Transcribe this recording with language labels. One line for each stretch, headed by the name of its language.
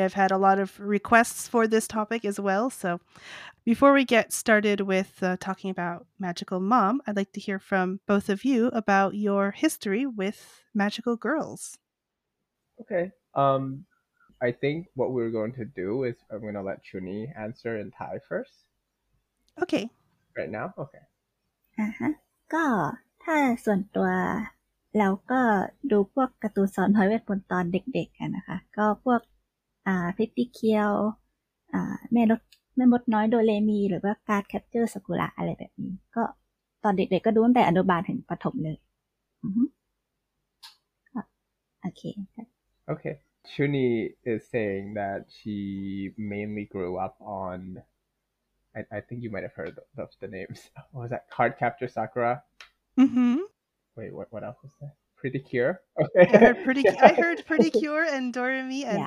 English: I've had a lot of requests for this topic as well. So before we get started with talking about Magical Mom, I'd like to hear from both of you about your history with Magical Girls. Okay. I think what we're going to do is I'm going to let Chun-Li answer in Thai first. Okay. Right now? Okay. Uh-huh. Go.
Thai: ถ้าส่วนตัวเราก็ดูพวกการ์ตูนสอนร้อยเวทมนต์ตอนเด็กๆอ่ะนะคะก็พวกพริตตี้เคียวแม่มดน้อยโดเรมีหรือว่าการ์ดแคปเจอร์ซากุระอะไรแบบนี้ก็ตอนเด็กๆก็ดูตั้งแต่อนุบาลถึงประถมเลยก็โอเค
English: โอเค Chun-Li is saying that she mainly grew up on I think you might have heard of the names. What was that? Card Capture Sakura? Mm-hmm. Wait, what else was that? Pretty Cure? Okay. I heard Pretty Cure and Doremi and